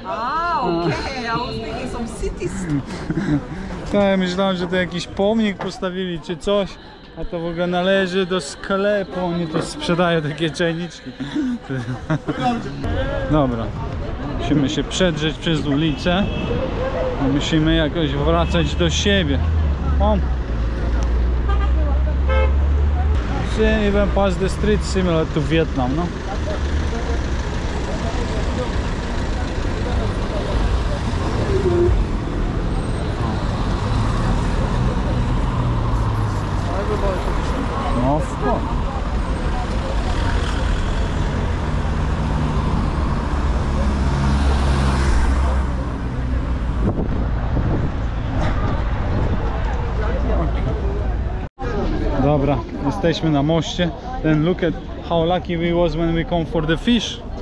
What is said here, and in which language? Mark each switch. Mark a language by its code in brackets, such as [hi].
[en] Okay, I was thinking some city. [pl] Tak, myślałem, że to jakiś pomnik postawili czy coś, a to w ogóle należy do sklepu, oni to sprzedają takie czajniczki. Dobra, musimy się przedrzeć przez ulicę. Musimy jakoś wracać do siebie. O! [en] Czyli even past the street similar to Vietnam, no? [pl] Dobra, jesteśmy na moście. [en] Then look at how lucky we was when we come for the fish.